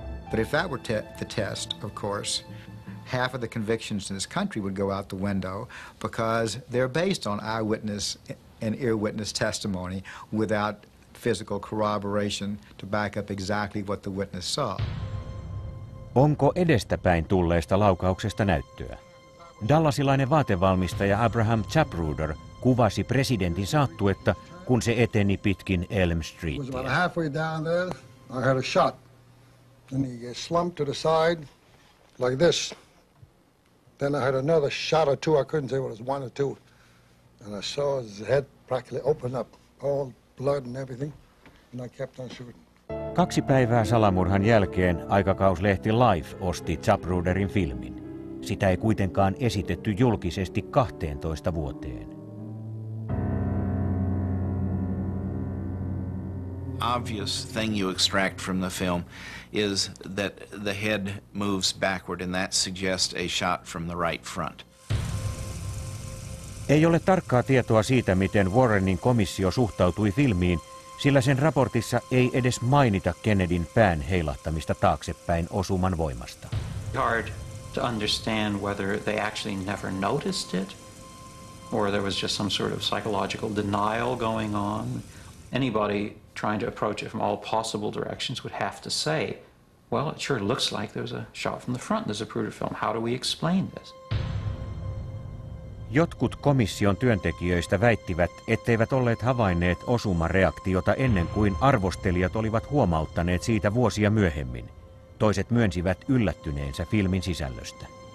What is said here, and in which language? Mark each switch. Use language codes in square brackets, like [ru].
[en] But if that were the test, of course, half of the convictions in this country would go out the window because they're based on eyewitness and ear witness testimony without physical corroboration to back up exactly what the witness saw. [fi] Onko edestäpäin tulleesta laukauksesta näyttöä? Dallasilainen vaatevalmistaja Abraham Chapruder kuvasi presidentin saattuetta, kun se eteni pitkin Elm Streetia. [en] About halfway down there, I heard a shot. And he slumped to the side, like this. Then I heard another shot or two, I couldn't say whether it was one or two. And I saw his head practically open up, all blood and everything. And I kept on shooting. [fi] Kaksi päivää salamurhan jälkeen aikakauslehti Life osti Chapruderin filmin. Sitä ei kuitenkaan esitetty julkisesti 12 vuoteen. [en] Obvious thing you extract from the film is that the head moves backward and that suggests a shot from the right front. [fi] Ei ole tarkkaa tietoa siitä, miten Warrenin komissio suhtautui filmiin, sillä sen raportissa ei edes mainita Kennedyn pään heilahtamista taaksepäin osuman voimasta. [en] Hard to understand whether they actually never noticed it or there was just some sort of psychological denial going on. Anybody trying to approach it from all possible directions would have to say, well, it sure looks like there's a shot from the front in the Zapruder film. How do we explain this? [fi] Jotkut komission työntekijöistä väittivät, etteivät olleet havainneet osumareaktiota ennen kuin arvostelijat olivat huomauttaneet siitä vuosia myöhemmin. Toiset myönsivät yllättyneensä filmin sisällöstä.